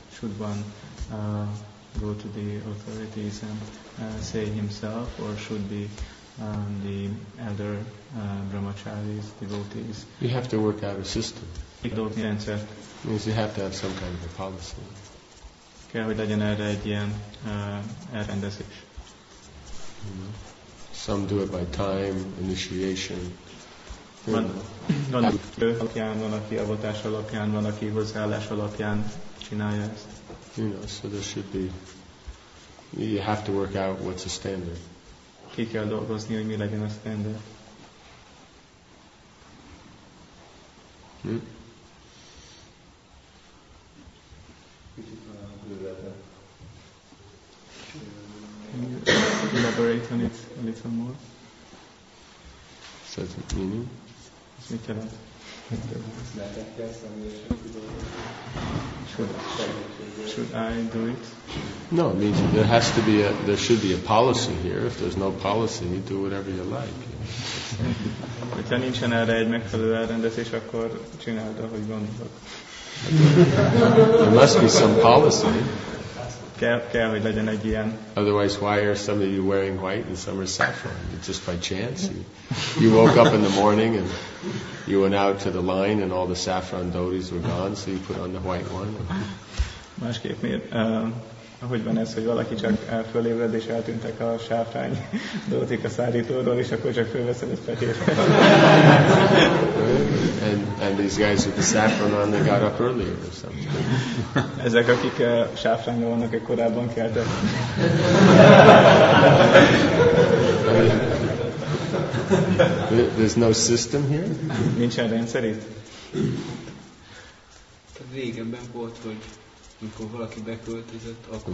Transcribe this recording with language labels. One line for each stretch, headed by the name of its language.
English: Should one go to the authorities and say himself, or should the elder brahmacharis, devotees? You have to work out a system. Devotee answer. Means you have to have some kind of a policy.
Hungarian: Kell, hogy legyen erre egy ilyen elrendezés.
English: Some do it by time, initiation.
Hungarian: Van aki alapján, van aki avatás alapján, van aki hozzáállás alapján csinálja ezt.
English: You know, so there should be, you have to work out what's a standard.
Hungarian: Ki kell dolgozni, hogy mi legyen a standard.
English: Elaborate on it a little more. So, meaning? Should I do it? No, it means there has to be a, there should be a policy here. If there's no policy, you do whatever you like.
Hungarian: Hogyha nincsen erre egy megfelelő elrendezés, akkor csináld, ahogy gondolod.
English: There must be some policy.
Hungarian: Kell, hogy legyen egy ilyen.
English: Otherwise, why are some of you wearing white and some are saffron? It's just by chance. You woke up in the morning and you went out to the line and all the saffron dhotis were gone, so you put on the white one.
Hungarian: Másképp miért? Hogy van ez, hogy valaki csak fölébred és eltűntek a sáfrány dhotik a szárítóról, és akkor csak fölveszed egy fehér.
English: And these guys with the saffron on, they got up earlier or something.
Hungarian: Ezek akik sáfrányra vannak, egy korábban keltek.
English: There's no system here?
Hungarian: Nincsen rendszer itt. Régebben volt, hogy amikor valaki beköltözött, akkor...